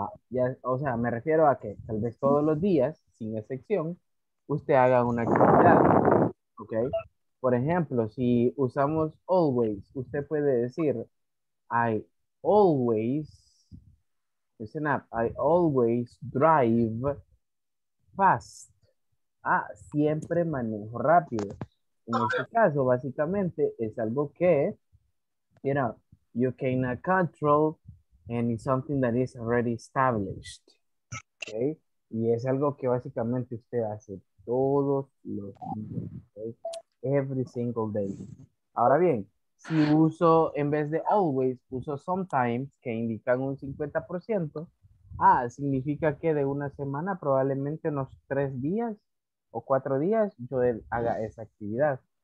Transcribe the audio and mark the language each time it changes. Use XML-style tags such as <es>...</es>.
<es>ya, o sea, me refiero a que tal vez todos los días, sin excepción, usted haga una actividad, ¿ok? Por ejemplo, si usamos always, usted puede decir, I always drive fast. Ah, siempre manejo rápido.</es> <en>En este caso, básicamente, es algo que, you know, you cannot control, and it's something that is already established. Okay?</en> <es>Y es algo que básicamente usted hace todos los días. Okay? Every single day. Ahora bien, si uso, en vez de always, uso sometimes, que indican un 50%, significa que de una semana, probablemente unos 3 días o 4 días, yo haga esa actividad.</es>